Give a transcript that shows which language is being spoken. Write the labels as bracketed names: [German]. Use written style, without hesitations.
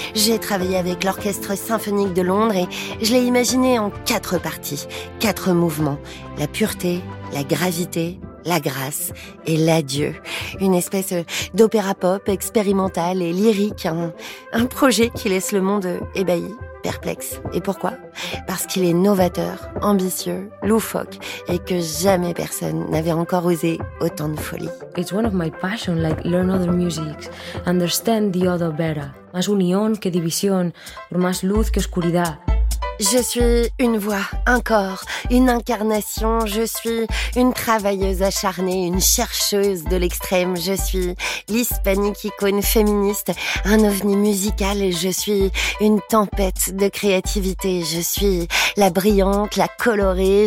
[French] J'ai travaillé avec l'Orchestre symphonique de Londres et je l'ai imaginé en quatre parties, quatre mouvements, la pureté, la gravité, la grâce et l'adieu. Une espèce d'opéra pop expérimental et lyrique, un projet qui laisse le monde ébahi. » Perplexe. Et pourquoi ? Parce qu'il est novateur, ambitieux, loufoque et que jamais personne n'avait encore osé autant de folie. [English] It's one of my passions, like learn other musics, understand the other better. [Spanish] Más unión que división, por más luz que oscuridad. [French] Je suis une voix, un corps, une incarnation. Je suis une travailleuse acharnée, une chercheuse de l'extrême. Je suis l'hispanique icône féministe, un ovni musical. Je suis une tempête de créativité. Je suis la brillante, la colorée.